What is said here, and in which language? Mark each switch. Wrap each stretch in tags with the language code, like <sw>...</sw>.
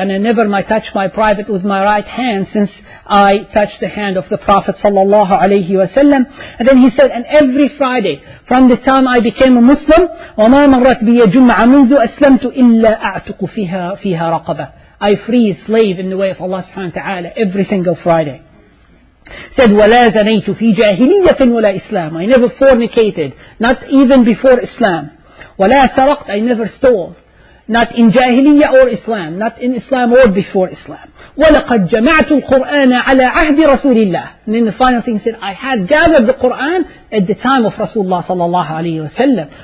<en>And I never might touch my private with my right hand since I touched the hand of the Prophet sallallahu alayhi wa sallam. And then he said, and every Friday, from the time I became a Muslim,</en> <ar>وَمَا مَرَّتْ بِيَ جُمْعَ مُنْذُ أَسْلَمْتُ إِلَّا أَعْتُقُ فِيهَا رَقَبَةً.</ar> <en>I free a slave in the way of Allah subhanahu wa ta'ala every single Friday. Said,</en> <ar>وَلَا زَنَيْتُ فِي جَاهِلِيَّةٍ وَلَا إِسْلَامٍ.</ar> <en>I never fornicated, not even before Islam.</en> <ar>وَلَا سَرَقْتْ.</ar> <en>I never stole, not in jahiliyyah or Islam, not in Islam or before Islam.</en> <ar>وَلَقَدْ جَمَعْتُ الْقُرْآنَ عَلَى عَهْدِ رَسُولِ اللَّهِ.</ar> <en>And then the final thing said, I had gathered the Qur'an at the time of Rasulullah sallallahu alayhi wa sallam.</en>